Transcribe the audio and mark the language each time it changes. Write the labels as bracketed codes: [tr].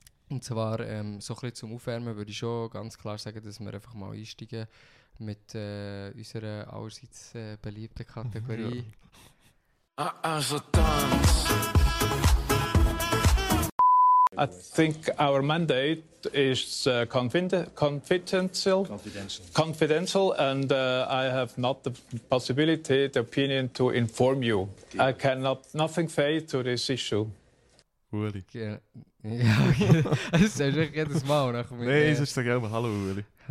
[de] Und zwar, so ein bisschen zum Aufwärmen würde ich schon ganz klar sagen, dass wir einfach mal einsteigen mit unserer allerseits beliebten Kategorie. Ja. Also Tanz. [en] I think our mandate is confidential and I have not the possibility, the opinion to inform you. I cannot, nothing fail to this issue. [de] Uli. Ja, das sagst du echt jedes Mal. Nein, sonst sag ich auch mal Hallo Uli.